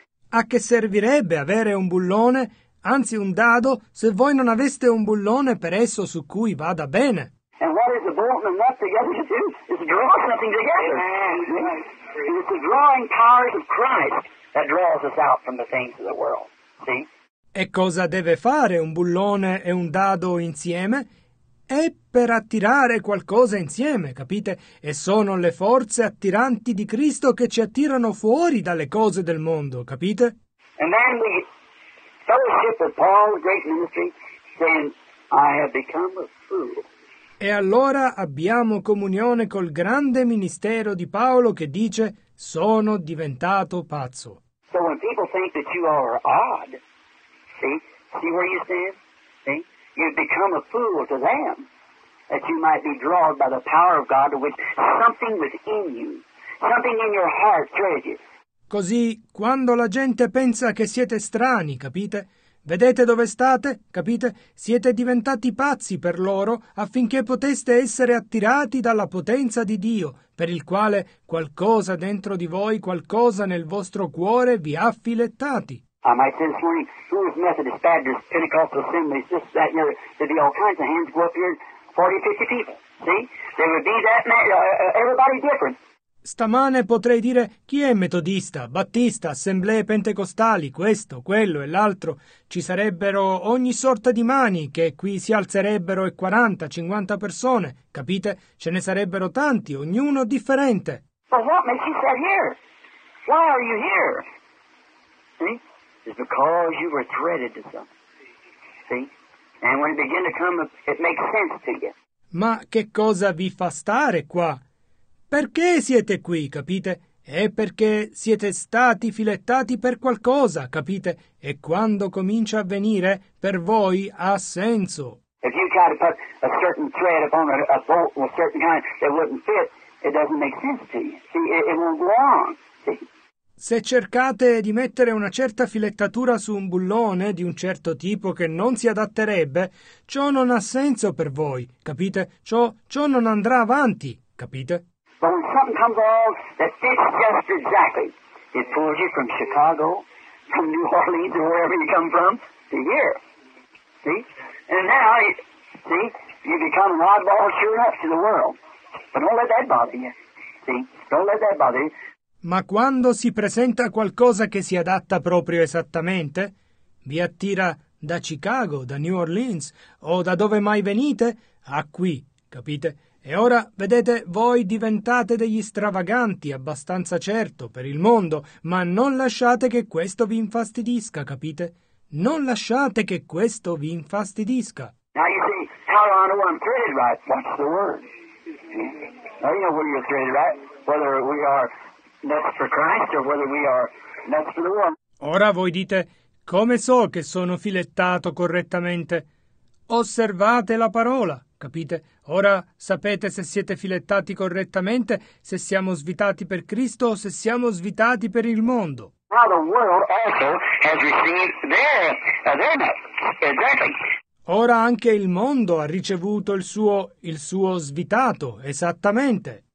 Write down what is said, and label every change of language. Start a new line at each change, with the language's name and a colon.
Italian: A che servirebbe avere un bullone, anzi un dado, se voi non aveste un bullone per esso su cui vada bene?
English: And what is the bullone and nut together to do? It's to draw something together. Mm-hmm. It's the drawing powers of Christ that draws us out from the things of the world. See?
Italian: E cosa deve fare un bullone e un dado insieme? È per attirare qualcosa insieme, capite? E sono le forze attiranti di Cristo che ci attirano fuori dalle cose del mondo, capite?
English: And then the fellowship of Paul's great ministry, saying, I have become a fool.
Italian: E allora abbiamo comunione col grande ministero di Paolo che dice: Sono diventato pazzo.
English: So when people think that you are odd, see where you stand? See? You become a fool to them, that you might be drawn by the power of God to which something within you, something in your heart urges.
Italian: Così, quando la gente pensa che siete strani, capite? Vedete dove state? Capite? Siete diventati pazzi per loro affinché poteste essere attirati dalla potenza di Dio, per il quale qualcosa dentro di voi, qualcosa nel vostro cuore vi ha filettati.
English: I might say this morning, Schools, Methodist, Baptist, Pentecostal assemblies, this, that, and the other. There'd be all kinds of hands go up here, 40, 50 people. See? There would be that many, everybody different.
Italian: Stamane potrei dire chi è metodista, battista, assemblee pentecostali, questo, quello e l'altro. Ci sarebbero ogni sorta di mani che qui si alzerebbero e 40, 50 persone, capite? Ce ne sarebbero tanti, ognuno differente.
English: But what makes you sit here? Why are you here? See? It's because you were threaded to something. See? And when it begins to come, it makes sense to you.
Italian: Ma che cosa vi fa stare qua? Perché siete qui, capite? È perché siete stati filettati per qualcosa, capite? E quando comincia a venire, per voi ha senso.
English: If you try to put a certain thread upon a bolt of a certain kind that wouldn't fit, it doesn't make sense to you. See, it won't go on.
Italian: Se cercate di mettere una certa filettatura su un bullone di un certo tipo che non si adatterebbe, ciò non ha senso per voi, capite? Ciò non andrà avanti, capite?
English: But when something comes along that fits just exactly, it pulls you from Chicago, from New Orleans, or wherever you come from, to here. See? And now, see, you become an oddball sure enough to the world. But don't let that bother you. See? Don't let that bother you.
Italian: Ma quando si presenta qualcosa che si adatta proprio esattamente, vi attira da Chicago, da New Orleans o da dove mai venite, a qui, capite? E ora, vedete, voi diventate degli stravaganti, abbastanza certo, per il mondo, ma non lasciate che questo vi infastidisca, capite? Non lasciate che questo vi infastidisca.
English: Now you see how I know I'm threaded right. Watch the word. Now you know whether you're threaded right, whether we are nuts for Christ or whether we are nuts for the world.
Italian: Ora voi dite, come so che sono filettato correttamente? Osservate la parola, capite? Ora sapete se siete filettati correttamente, se siamo svitati per Cristo o se siamo svitati per il mondo.
English: Now the world also has received their nuts. Exactly.
Italian: Ora anche il mondo ha ricevuto il suo svitato, esattamente.